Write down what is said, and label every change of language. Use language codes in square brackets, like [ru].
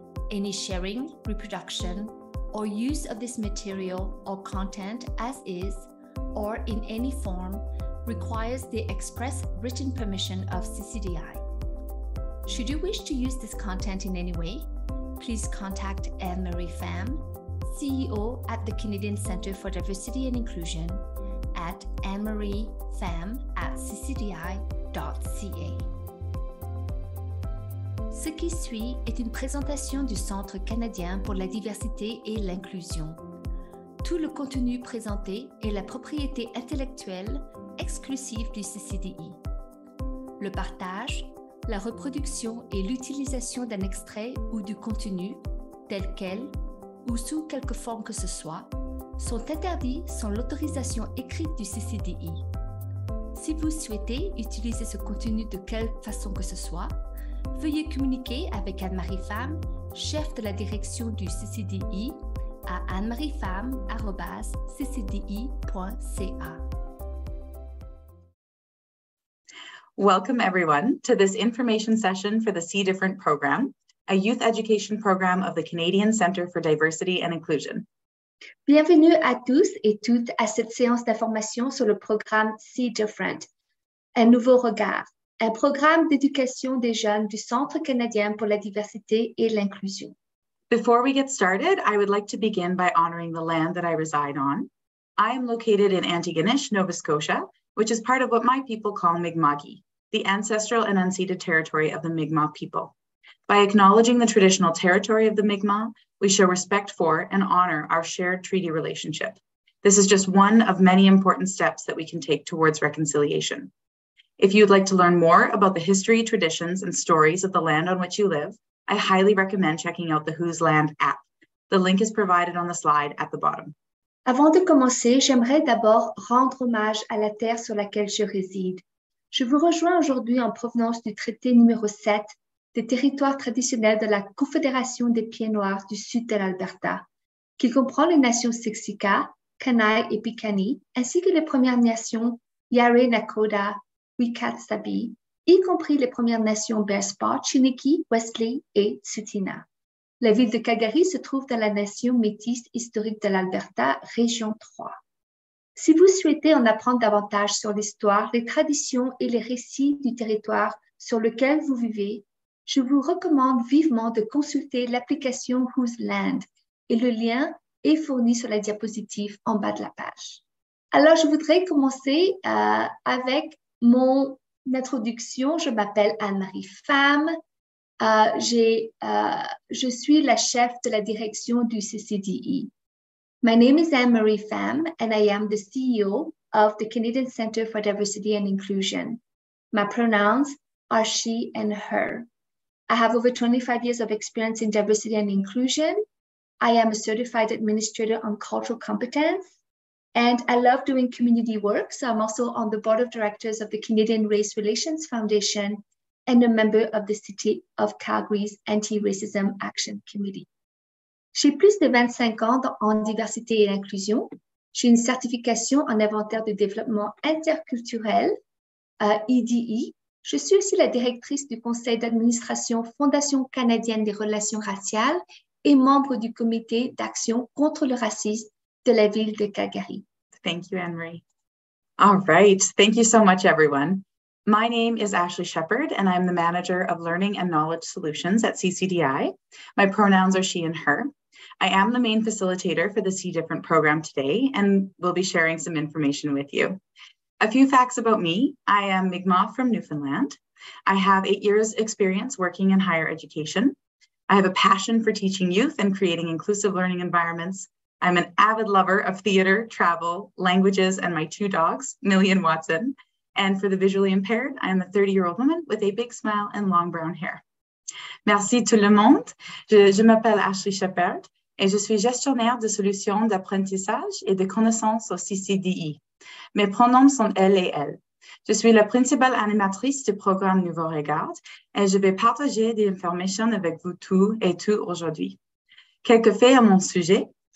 [en] Any sharing, reproduction, or use of this material or content as is, or in any form, requires the express written permission of CCDI. Should you wish to use this content in any way, please contact Anne-Marie Pham, CEO at the Canadian Centre for Diversity and Inclusion, at annemariepham@ccdi.ca. [fr] Ce qui suit est une présentation du Centre canadien pour la diversité et l'inclusion. Tout le contenu présenté est la propriété intellectuelle exclusive du CCDI. Le partage, la reproduction et l'utilisation d'un extrait ou du contenu, tel quel, ou sous quelque forme que ce soit, sont interdits sans l'autorisation écrite du CCDI. Si vous souhaitez utiliser ce contenu de quelque façon que ce soit, veuillez communiquer avec Anne-Marie Pham, chef de la direction du CCDI, à annemariepham@ccdi.ca. [en] Welcome, everyone, to this information session for the See Different program, a youth education program of the Canadian Centre for Diversity and Inclusion. [fr] Bienvenue à tous et toutes à cette séance d'information sur le programme See Different, un nouveau regard, un programme d'éducation des jeunes du Centre canadien pour la diversité et l'inclusion. [en] Before we get started, I would like to begin by honoring the land that I reside on. I am located in Antigonish, Nova Scotia, which is part of what my people call Mi'kma'ki, the ancestral and unceded territory of the Mi'kmaq people. By acknowledging the traditional territory of the Mi'kmaq, we show respect for and honor our shared treaty relationship. This is just one of many important steps that we can take towards reconciliation. If you'd like to learn more about the history, traditions, and stories of the land on which you live, I highly recommend checking out the Whose Land app. The link is provided on the slide at the bottom. [fr] Avant de commencer, j'aimerais d'abord rendre hommage à la terre sur laquelle je réside. Je vous rejoins aujourd'hui en provenance du traité numéro 7 des territoires traditionnels de la Confédération des Pieds Noirs du sud de l'Alberta, qui comprend les nations Siksika, Kainai et Piikani, ainsi que les Premières Nations Yare, Nakoda, Wekatsabi, y compris les Premières Nations Bearspaw, Chiniki, Wesley et Tsutina. La ville de Calgary se trouve dans la nation métis historique de l'Alberta, région 3. Si vous souhaitez en apprendre davantage sur l'histoire, les traditions et les récits du territoire sur lequel vous vivez, je vous recommande vivement de consulter l'application Whose Land et le lien est fourni sur la diapositive en bas de la page. Alors, je voudrais commencer avec mon introduction. Je m'appelle Anne-Marie Pham. Je suis la chef de la direction du CCDI. [en] My name is Anne-Marie Pham, and I am the CEO of the Canadian Centre for Diversity and Inclusion. My pronouns are she and her. I have over 25 years of experience in diversity and inclusion. I am a certified administrator on cultural competence, and I love doing community work. So I'm also on the board of directors of the Canadian Race Relations Foundation and a member of the City of Calgary's Anti-Racism Action Committee. J'ai plus de 25 ans en diversité et inclusion. J'ai une certification en inventaire de développement interculturel, EDI. Je suis aussi la directrice du conseil d'administration Fondation canadienne des relations raciales et membre du comité d'action contre le racisme de la ville de Calgary. Thank you, Anne-Marie. All right, thank you so much, everyone. My name is Ashley Shepherd, and I'm the manager of Learning and Knowledge Solutions at CCDI. My pronouns are she and her. I am the main facilitator for the See Different program today, and will be sharing some information with you. A few facts about me. I am Mi'kmaq from Newfoundland. I have 8 years experience working in higher education. I have a passion for teaching youth and creating inclusive learning environments. I'm an avid lover of theater, travel, languages, and my two dogs, Millie and Watson. And for the visually impaired, I am a 30-year-old woman with a big smile and long brown hair. [fr] Merci tout le monde. Je m'appelle Ashley Shepherd et je suis gestionnaire de solutions d'apprentissage et de connaissances au CCDI. Mes pronoms sont elle et elle. Je suis la principale animatrice du programme Nouveau Regard et je vais partager des informations avec vous tous et tout aujourd'hui. Quelques faits à mon sujet.